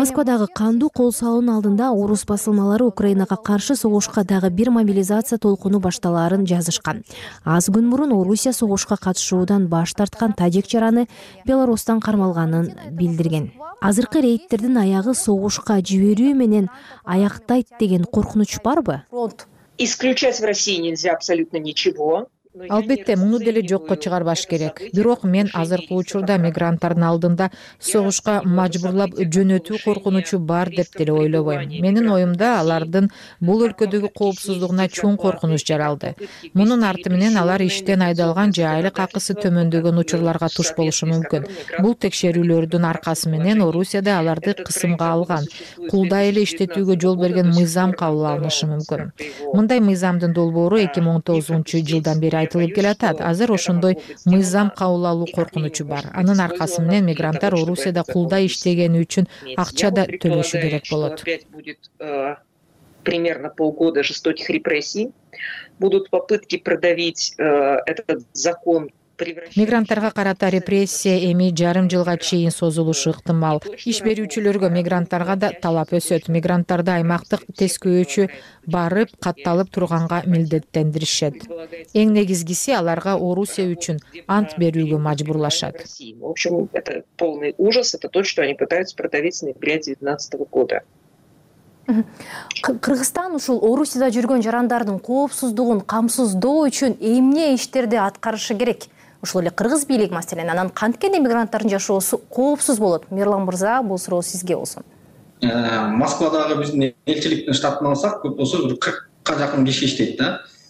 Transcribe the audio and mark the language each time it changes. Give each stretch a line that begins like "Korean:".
Kyrgyz: Москвадагы кандуу кол салуунун алдында орус басылмалары Украинага каршы согушка дагы бир мобилизация толкуну башталаарын жазышкан. Аз күн мурун Орусия согушка катышуудан баш тарткан тажик жараны Белорусстан кармалганын билдирген. Азыркы рейдтердин аягы согушка жиберүү менен аяктайт деген коркунуч барбы?
Russian: Исключать в России нельзя абсолютно ничего.
Kyrgyz: Албетте, муну деле жокко чыгарбаш керек. Бирок мен азыркы учурда мигранттардын алдында согушка мажбурлап жөнөтүү коркунучу бар деп деле ойлобойм. Менин оюмда алардын бул өлкөдөгү коопсуздугуна чоң коркунуч жаралды. Мунун арты менен алар иштен айдалган же айлык акысы төмөндөгөн учурларга туш болушу мүмкүн. Бул текшерүүлөрдүн аркасы менен Орусияда аларды кысымга алган, кулда эле иштетүүгө жол берген мыйзам кабыл алынышы мүмкүн. Мындай мыйзамдын долбоору 2019-жылдан бери айтылып келатат. Азыр ошондой мыйзам кабыл алуу коркунучу бар. Анын аркасы менен мигранттар Орусияда кулда иштегени үчүн акча да төлөшү керек болот.
Russian: Примерно полгода жестоких репрессий. Будут попытки продавить этот закон.
Kyrgyz: Мигранттарга карата репрессия эми жарым жылга чейин созулушу ыктымал. Иш берүүчүлөргө мигранттарга да талап өсөт. Мигранттарды аймактык тескөөчү барып катталып турганга милдеттендиришет. Эң негизгиси аларга Орусия үчүн ант берүүгө мажбурлашат.
Russian: В общем, это полный ужас, это то, что они пытаются продавить с ноября 2019 года.
Kyrgyz: Кыргызстан ушул Орусияда жүргөн жарандардын коопсуздугун камсыздоо үчүн эмне иштерди аткарышы керек? Ушул эле кыргыз бийлиги маселен, анан канткенде мигранттардын жашоосу коопсуз болот? Мирлан мырза, бул суроо сизге болсун. Москвадагы биздин элчиликтин штатын алсак, көп болсо бир 40га жакын киши иштейт да.